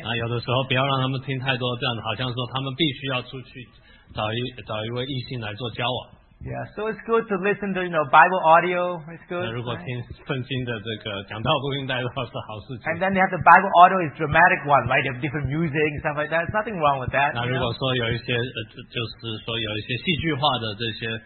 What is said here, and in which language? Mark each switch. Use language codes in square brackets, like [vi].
[zh] 那有的时候不要让他们听太多这样的，好像说他们必须要出去找一位异性来做交往。 [en] Yeah, so it's good to listen to, you know, Bible audio. It's good. [zh] 那如果听圣经的这个讲道录音带的话是好事情。 [en] And then they have the Bible audio is dramatic one, right? They have different music and stuff like that. There's nothing wrong with that. [zh] 那如果说有一些就是说有一些戏剧化的这些